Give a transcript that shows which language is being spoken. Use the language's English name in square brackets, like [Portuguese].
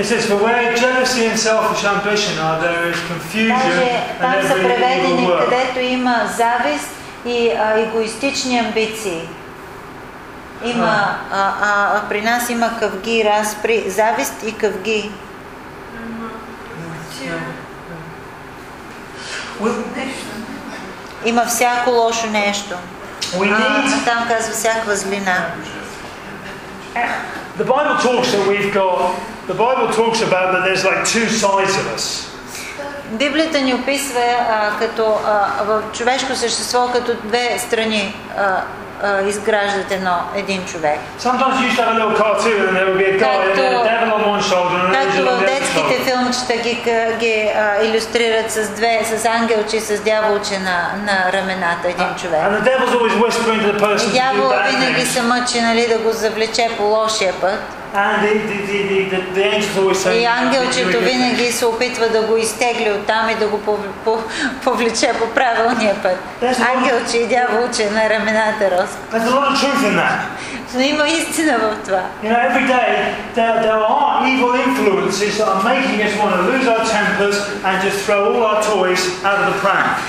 [English] It says, for where jealousy and selfish ambition are, there is confusion and every evil work. [Bulgarian] Където има завист и егоистични амбиции. Има, при нас има къвги, разпри, завист и къвги. Има всяко лошо нещо. Там казва всяка злина. [English] The Bible talks that we've got, the Bible talks about that there's like two sides of us. [Bulgarian] Библията ни описва като в човешко същество като две страни. Изграждат един човек. [English] Sometimes you used to have a little cartoon and there would be a guy and a devil on one shoulder and an angel on the other. [Bulgarian] Както в детските филмчета ги илюстрират с две, с ангелче и с дяволче на рамената един човек. [English] And the devil's always whispering to the person to do bad things. [Bulgarian] Дявол винаги се мъчи, нали, да го завлече по лошия път. [English] And the angel's always saying, [Bulgarian] и ангелчето винаги се опитва да го изтегли оттам и да го повлече по правилния път. Ангелче и дяволче на рамената раз. [English] There's a lot of truth in that. [Bulgarian] Но има истина в това. [English] You know, every day there are evil influences that are making us want to lose our tempers and just throw all our toys out of the pram.